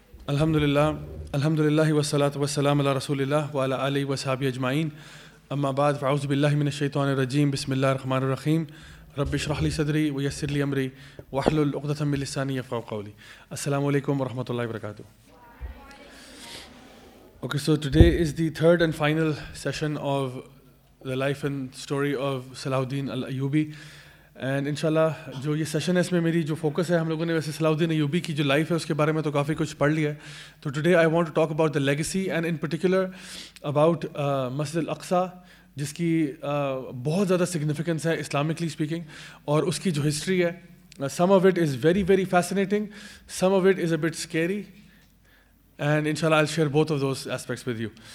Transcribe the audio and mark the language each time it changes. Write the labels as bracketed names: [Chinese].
[Arabic] الحمد لله الحمد لله والصلاة والسلام على رسول الله وعلى آله وصحبه أجمعين. أما بعد، فأعوذ بالله من الشيطان الرجيم، بسم الله الرحمن الرحيم. رب اشرح لي صدري ويسر لي أمري واحلل عقدة من لساني يفقهوا قولي. السلام عليكم ورحمة الله وبركاته. [English] Okay, so today is the third and final session of the life and story of Salahuddin Al-Ayyubi. [Urdu] And ان شاء اللہ جو یہ سیشن ہے اس میں میری جو فوکس ہے، ہم لوگوں نے ویسے صلاح الدین ایوبی کی جو لائف ہے اس کے بارے میں تو کافی کچھ پڑھ لیا ہے، تو [English] today I want to talk about the legacy and in particular about [Urdu] مسجد الاقصا، جس کی بہت زیادہ سگنیفیکنس ہے [English] Islamically speaking, [Urdu] اور اس کی جو ہسٹری ہے، [English] Some of it is very very fascinating, some of it is a bit scary, and ان شاء اللہ I share both of those aspects with you.